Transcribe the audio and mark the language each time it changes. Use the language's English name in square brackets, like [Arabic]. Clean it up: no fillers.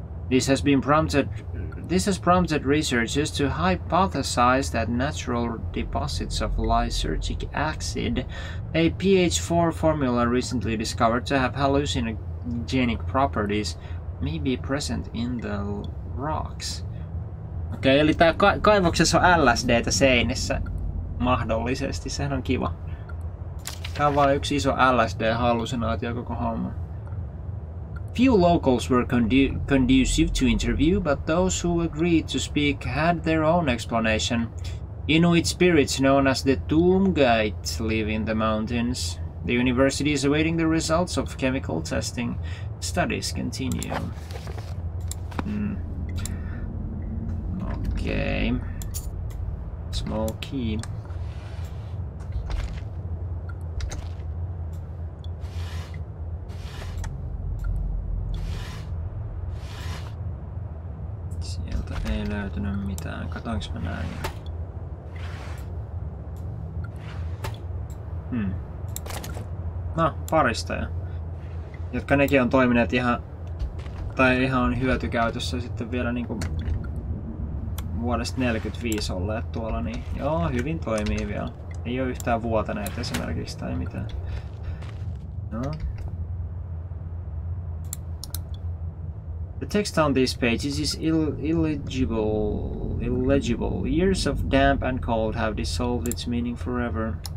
[English] This has prompted researchers to hypothesize that natural deposits of lysergic acid, a pH-4 formula recently discovered to have hallucinogenic properties, may be present in the rocks. [Finnish] Okay, eli tää kaivoksessa on LSD:tä seinissä mahdollisesti. Sehän on kiva. Tää on vaan yksi iso LSD-hallusinaatio koko homma. [English] Few locals were conducive to interview, but those who agreed to speak had their own explanation. Inuit spirits known as the Tumgite live in the mountains. The university is awaiting the results of chemical testing. Studies continue. Okay. Small key. [Finnish] Sieltä ei löytynyt mitään. Katoinko mä näin? No, paristoja. Jotka nekin on toimineet ihan... Tai ihan on hyötykäytössä sitten vielä niinku... Vuodesta 45 olleet tuolla, niin... Joo, hyvin toimii vielä. Ei oo yhtään vuotaneet esimerkiksi tai mitään. No. [English] The text on these pages is illegible. Years of damp and cold have dissolved its meaning forever.